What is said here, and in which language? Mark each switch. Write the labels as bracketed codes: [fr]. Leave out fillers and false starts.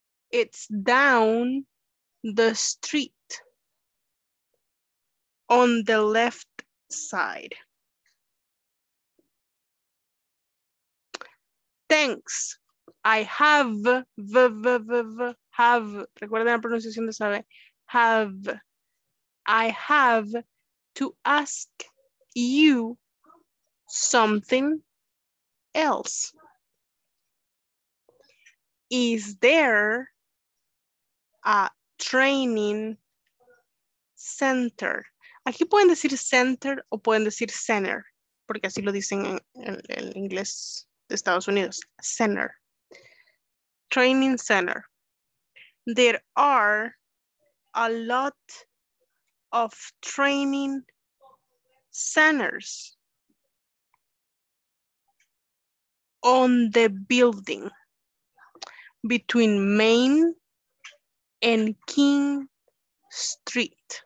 [en] It's down the street on the left side. Thanks. I have, [es] recuerden la pronunciación de sabe, have. [en] I have to ask you something else. Is there a training center? [es] Aquí pueden decir center o pueden decir center. porque así lo dicen en inglés de Estados Unidos. [en] Center. Training center. There are a lot of training centers on the building between Main and King Street.